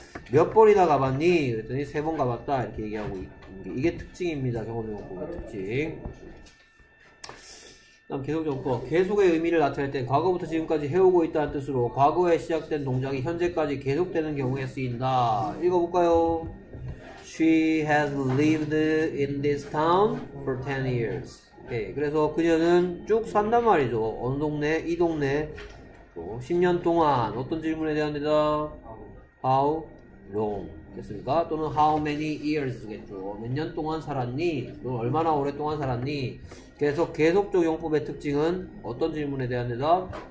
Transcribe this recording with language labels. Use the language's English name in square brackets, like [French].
[Korean] 몇 번이나 가봤니? 그랬더니 세 번 가봤다. 이렇게 얘기하고 있는 게, 이게 특징입니다. 경험용법의 특징. 다음 계속 정보. 계속의 의미를 나타낼 때 과거부터 지금까지 해오고 있다는 뜻으로 과거에 시작된 동작이 현재까지 계속되는 경우에 쓰인다. 읽어볼까요? [English] She has lived in this town for 10 years. [Korean] 네, 그래서 그녀는 쭉 산단 말이죠. 어느 동네? 이 동네. 또 10년 동안 어떤 질문에 대한 대답? [English] How long? [Korean] 됐습니까? 또는 [English] how many years [Korean] 겠죠. 몇 년 동안 살았니? 또는 얼마나 오랫동안 살았니? 그래서 계속적 용법의 특징은 어떤 질문에 대한 대답?